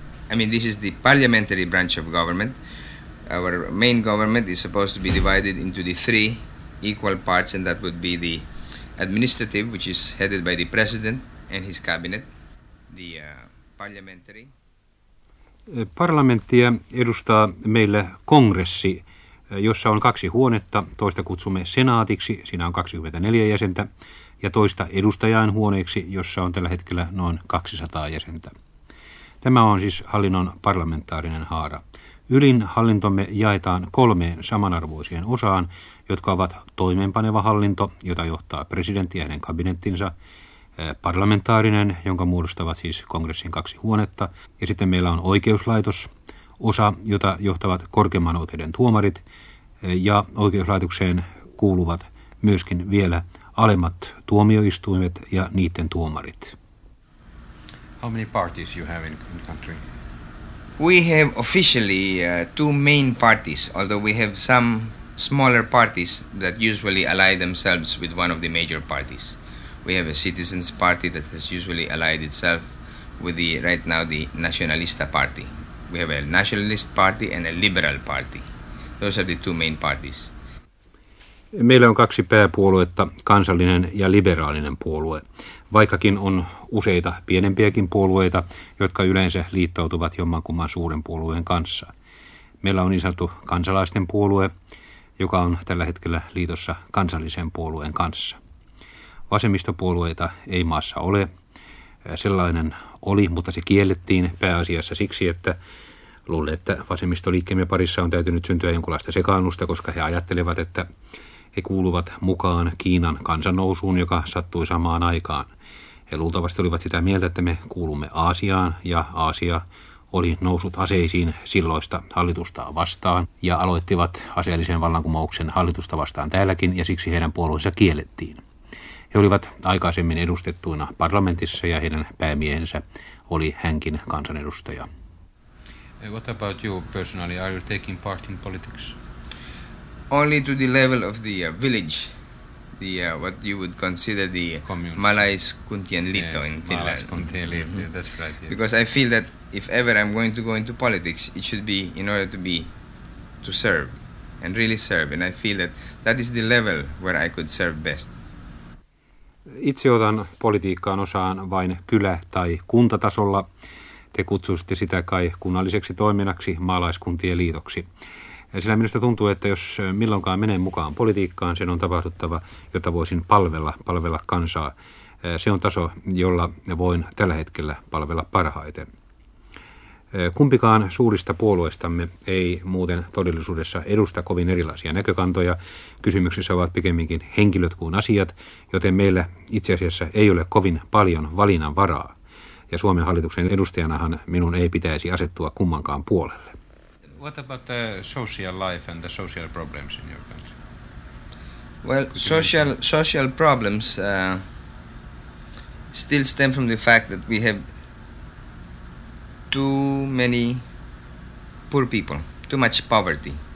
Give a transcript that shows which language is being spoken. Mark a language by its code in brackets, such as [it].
[en] I mean, this is the parliamentary branch of government. Our main government is supposed to be divided into the three equal parts, and that would be the administrative, which is headed by the president and his cabinet, the parliamentary. [fi] Parlamenttia edustaa meille kongressi, jossa on kaksi huonetta. Toista kutsumme senaatiksi, siinä on 24 jäsentä, ja toista edustajain huoneeksi, jossa on tällä hetkellä noin 200 jäsentä. Tämä on siis hallinnon parlamentaarinen haara. Ylin hallintomme jaetaan kolmeen samanarvoiseen osaan, jotka ovat toimeenpaneva hallinto, jota johtaa presidentti ja hänen kabinettinsa, parlamentaarinen, jonka muodostavat siis kongressin kaksi huonetta, ja sitten meillä on oikeuslaitos, osa, jota johtavat korkeimman oikeuden tuomarit, ja oikeuslaitokseen kuuluvat myöskin vielä alemmat tuomioistuimet ja niiden tuomarit. [en] How many parties you have in country? We have officially two main parties, although we have some smaller parties that usually ally themselves with one of the major parties. We have a citizens party that has usually allied itself with the right now the nationalista party. We have a nationalist party and a liberal party. Those are the two main parties. [fi] Meillä on kaksi pääpuoluetta, kansallinen ja liberaalinen puolue. Vaikkakin on useita pienempiäkin puolueita, jotka yleensä liittoutuvat jommankumman suuren puolueen kanssa. Meillä on niin sanottu kansalaisten puolue, joka on tällä hetkellä liitossa kansallisen puolueen kanssa. Vasemmistopuolueita ei maassa ole. Sellainen oli, mutta se kiellettiin pääasiassa siksi, että luulen, että vasemmistoliikkeemme parissa on täytynyt syntyä jonkunlaista sekaannusta, koska he ajattelevat, että he kuuluvat mukaan Kiinan kansannousuun, joka sattui samaan aikaan. He luultavasti olivat sitä mieltä, että me kuulumme Aasiaan, ja Aasia oli noussut aseisiin silloista hallitusta vastaan, ja aloittivat aseellisen vallankumouksen hallitusta vastaan täälläkin, ja siksi heidän puolueensa kiellettiin. He olivat aikaisemmin edustettuina parlamentissa ja heidän päämiehensä oli hänkin kansanedustaja. [en] What about you personally? Are you taking part in politics? Only to the level of the village, the what you would consider the Communist. [fi] Malais Kuntienliitto, [en] yes, in Finland. [fi] Malais Kuntienliitto, mm-hmm. [en] Yeah, that's right. Yeah. Because I feel that if ever I'm going to go into politics, it should be in order to serve and really serve. And I feel that is the level where I could serve best. [fi] Itse otan politiikkaan osaan vain kylä- tai kuntatasolla. Te kutsuisitte sitä kai kunnalliseksi toiminnaksi maalaiskuntien liitoksi. Sillä minusta tuntuu, että jos milloinkaan menen mukaan politiikkaan, sen on tapahduttava, jota voisin palvella kansaa. Se on taso, jolla voin tällä hetkellä palvella parhaiten. Kumpikaan suurista puolueistamme ei muuten todellisuudessa edusta kovin erilaisia näkökantoja. Kysymyksessä ovat pikemminkin henkilöt kuin asiat, joten meillä itse asiassa ei ole kovin paljon valinnan varaa. Ja Suomen hallituksen edustajanahan minun ei pitäisi asettua kummankaan puolelle. [en] What about the social life and the social problems in your country? Well, social problems still stem from the fact that we have too many poor people, too much poverty.